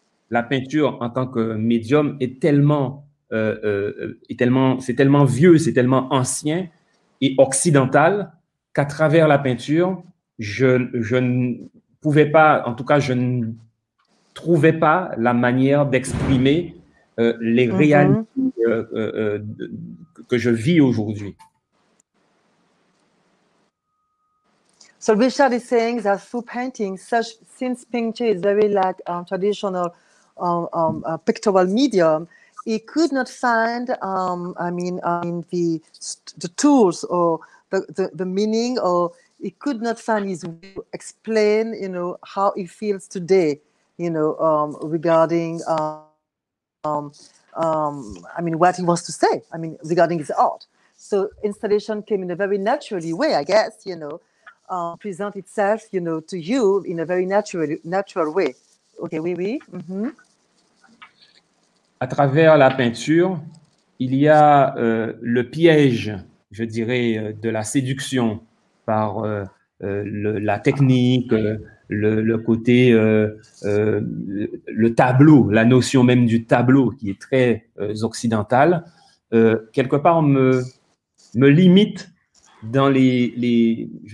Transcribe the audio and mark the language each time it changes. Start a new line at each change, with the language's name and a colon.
French: la peinture en tant que médium c'est tellement vieux, c'est tellement ancien et occidental qu'à travers la peinture, je ne pouvais pas, en tout cas, je ne trouvais pas la manière d'exprimer les réalités que je vis aujourd'hui.
English: So Richard is saying that through painting, such since painting is very like traditional pictorial medium, he could not find, the tools or the meaning, or he could not find his way to explain, you know, how he feels today, you know, regarding, what he wants to say, I mean, regarding his art. So installation came in a very naturally way, I guess, you know, present itself, you know, to you in a very natural way.
French: Okay, oui. Mm-hmm. À travers la peinture, il y a le piège, je dirais, de la séduction par la technique, le côté, le tableau, la notion même du tableau qui est très occidental, quelque part me limite dans les